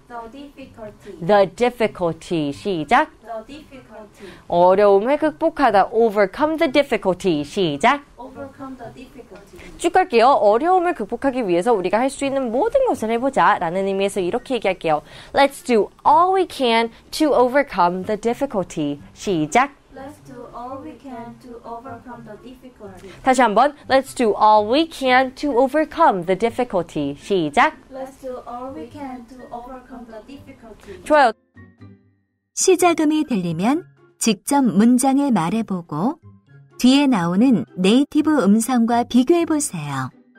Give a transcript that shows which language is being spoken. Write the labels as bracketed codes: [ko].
[en] The difficulty. The difficulty. 시작. The difficulty. [ko] 어려움을 극복하다. [en] Overcome the difficulty. 시작. Overcome the difficulty. [ko] 쭉 갈게요. 어려움을 극복하기 위해서 우리가 할 수 있는 모든 것을 해보자 라는 의미에서 이렇게 얘기할게요. [en] Let's do all we can to overcome the difficulty. [ko] 시작. [en] Let's do all we can to overcome the difficulty. [ko] 다시 한번. [en] Let's do all we can to overcome the difficulty. [ko] 시작. [en] Let's do all we can to overcome the difficulty. [ko] 좋아요. 시작음이 들리면 직접 문장을 말해보고 뒤에 나오는 네이티브 음성과 비교해보세요.